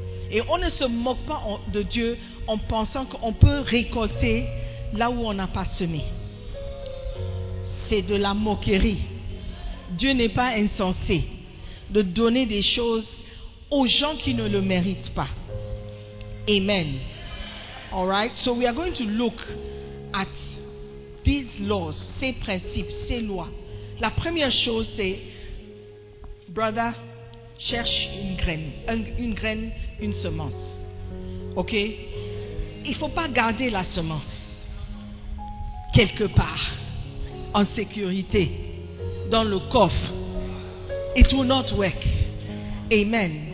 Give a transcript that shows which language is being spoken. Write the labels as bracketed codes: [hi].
[fr] Et on ne se moque pas de Dieu en pensant qu'on peut récolter là où on n'a pas semé. C'est de la moquerie. Dieu n'est pas insensé de donner des choses aux gens qui ne le méritent pas. [en] Amen. All right. So we are going to look at these laws, [fr] ces principes, ces lois. La première chose, c'est, brother, cherche une graine, une semence. OK? Il ne faut pas garder la semence quelque part. En sécurité, dans le coffre. [en] It will not work. [fr] Amen.